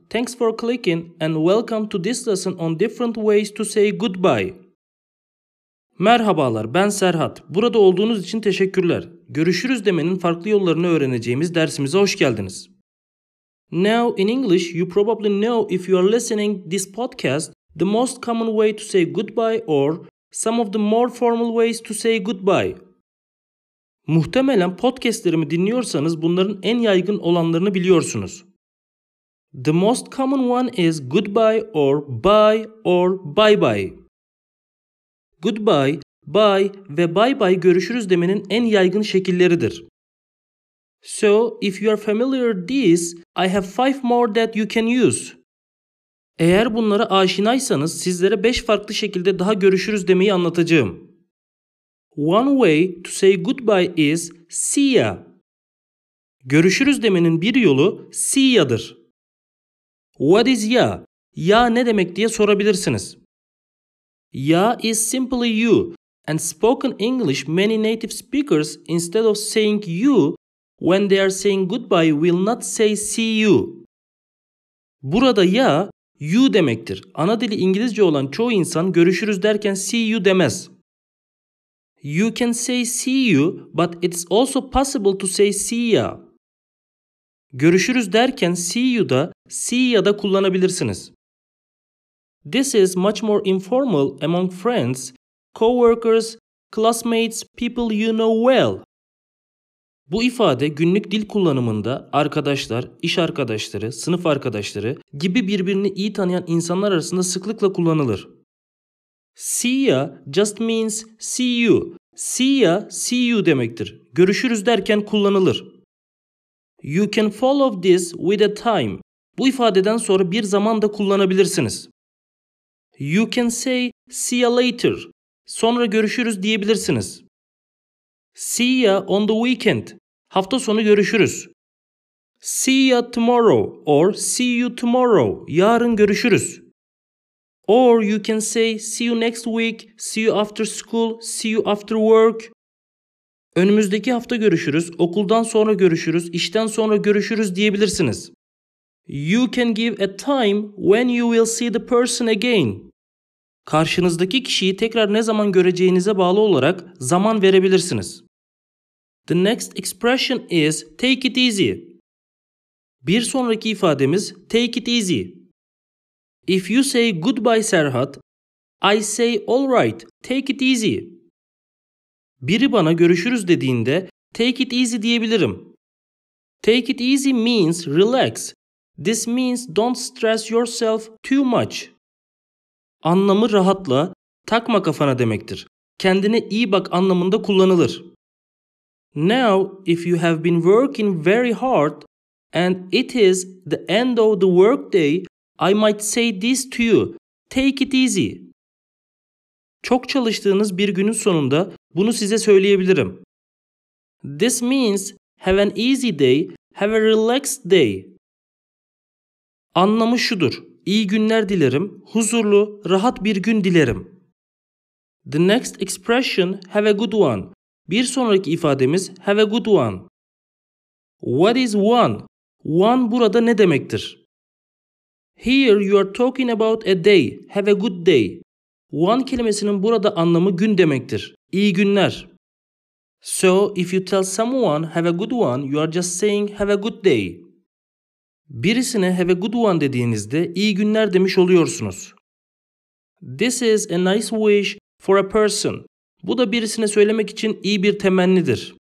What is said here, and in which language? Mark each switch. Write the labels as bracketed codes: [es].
[en] Thanks for clicking and welcome to this lesson on different ways to say goodbye. [tr] Merhabalar, ben Serhat. Burada olduğunuz için teşekkürler. Görüşürüz demenin farklı yollarını öğreneceğimiz dersimize hoş geldiniz. [en] Now in English, you probably know if you are listening this podcast, the most common way to say goodbye or some of the more formal ways to say goodbye. [tr] Muhtemelen podcastlerimi dinliyorsanız bunların en yaygın olanlarını biliyorsunuz. [en] The most common one is goodbye or bye or bye-bye. [tr] Goodbye, bye ve bye-bye görüşürüz demenin en yaygın şekilleridir. [en] So, if you are familiar these, I have 5 more that you can use. [tr] Eğer bunlara aşinaysanız sizlere 5 farklı şekilde daha görüşürüz demeyi anlatacağım. [en] One way to say goodbye is see ya. [tr] Görüşürüz demenin bir yolu see ya'dır. [en] What is ya? [tr] Ya ne demek diye sorabilirsiniz. [en] Ya is simply you and spoken English many native speakers instead of saying you when they are saying goodbye will not say see you. [tr] Burada ya you demektir. Ana dili İngilizce olan çoğu insan görüşürüz derken see you demez. [en] You can say see you, but it's also possible to say see ya. [tr] Görüşürüz derken see you da, see ya da kullanabilirsiniz. [en] This is much more informal among friends, co-workers, classmates, people you know well. [tr] Bu ifade günlük dil kullanımında arkadaşlar, iş arkadaşları, sınıf arkadaşları gibi birbirini iyi tanıyan insanlar arasında sıklıkla kullanılır. [en] See ya just means see you. See ya, see you demektir. [tr] Görüşürüz derken kullanılır. [en] You can follow this with a time. [tr] Bu ifadeden sonra bir zaman da kullanabilirsiniz. [en] You can say see ya later. [tr] Sonra görüşürüz diyebilirsiniz. [en] See ya on the weekend. [tr] Hafta sonu görüşürüz. [en] See ya tomorrow or see you tomorrow. [tr] Yarın görüşürüz. [en] Or you can say see you next week, see you after school, see you after work. [tr] Önümüzdeki hafta görüşürüz, okuldan sonra görüşürüz, işten sonra görüşürüz diyebilirsiniz. [en] You can give a time when you will see the person again. [tr] Karşınızdaki kişiyi tekrar ne zaman göreceğinize bağlı olarak zaman verebilirsiniz. [en] The next expression is take it easy. [tr] Bir sonraki ifademiz [en] take it easy. If you say goodbye Serhat, I say all right, take it easy. [tr] Biri bana görüşürüz dediğinde take it easy diyebilirim. [en] Take it easy means relax. This means don't stress yourself too much. [tr] Anlamı rahatla, takma kafana demektir. Kendine iyi bak anlamında kullanılır. [en] Now, if you have been working very hard and it is the end of the workday, I might say this to you. Take it easy. [tr] Çok çalıştığınız bir günün sonunda bunu size söyleyebilirim. [en] This means have an easy day, have a relaxed day. [tr] Anlamı şudur. İyi günler dilerim, huzurlu, rahat bir gün dilerim. [en] The next expression, have a good one. [tr] Bir sonraki ifademiz, [en] have a good one. What is one? [tr] One burada ne demektir? [en] Here you are talking about a day. Have a good day. [tr] One kelimesinin burada anlamı gün demektir. İyi günler. [en] So if you tell someone have a good one, you are just saying have a good day. [tr] Birisine have a good one dediğinizde iyi günler demiş oluyorsunuz. [en] This is a nice wish for a person. [tr] Bu da birisine söylemek için iyi bir temennidir.